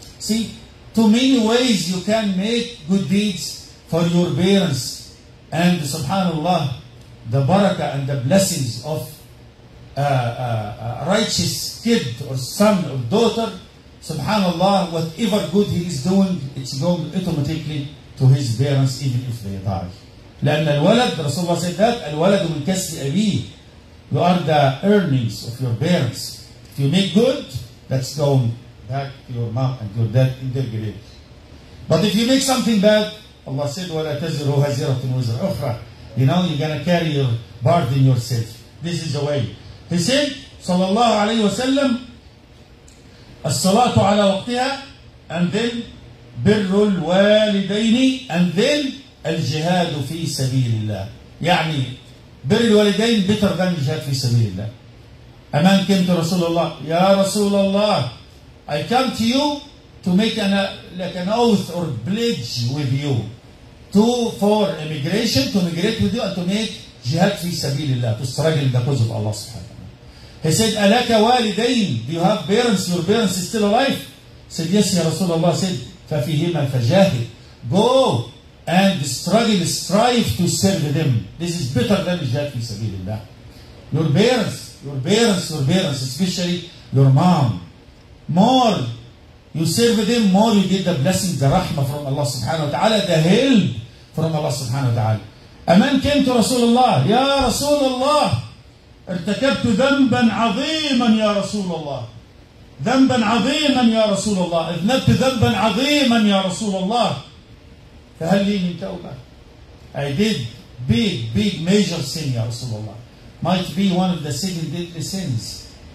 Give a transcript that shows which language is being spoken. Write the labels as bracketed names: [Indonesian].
[English] See, too many ways you can make good deeds for your parents. And subhanAllah, the barakah and the blessings of a righteous kid or son or daughter, subhanAllah, whatever good he is doing, it's going automatically to his parents even if they die. [Arabic] لأن الولد رسول الله [English] said that [Arabic] الولد من كسب أبيه. [English] You are the earnings of your parents. If you make good, that's going back to your mom and your dad in their grave. But if you make something bad, Allah said [Arabic] ولا تزر وزارة وزر أخرى. [English] You know, you're gonna carry your burden yourself. This is the way. He said [Arabic] صلى الله عليه وسلم الصلاة على وقتها and then بر الوالدين and then الجهاد في سبيل الله. يعني بر الوالدين [English] better than [Arabic] الجهاد في سبيل الله. [English] A man came to Rasulullah. Ya Rasulullah, I come to you to make an oath or pledge with you for immigration, to migrate with you and to make jihad fi sabilillah, to struggle in the cause of Allah subhanahu wa ta'ala. He said, Alaka walidain, do you have parents? Your parents are still alive? He said, yes, ya Rasulullah. He said, fafihima fajahid. Go and struggle, strive to serve them. This is better than jihad fi sabilillah. Your parents, especially your mom. More you serve them, more you get the blessing, the rahmah from Allah subhanahu wa ta'ala, the help from Allah subhanahu wa ta'ala. A man came to Rasulullah, Ya Rasulullah, [Arabic] ارتكبتُ ذنباً عظيماً يا رسول الله. ذنباً عظيماً يا رسول الله. اذنبتُ ذنباً عظيماً يا رسول الله. فهل لي من توبة؟ [English] I did big, big, major sin [Arabic] يا رسول الله. [English] Might be one of the seven deadly sins.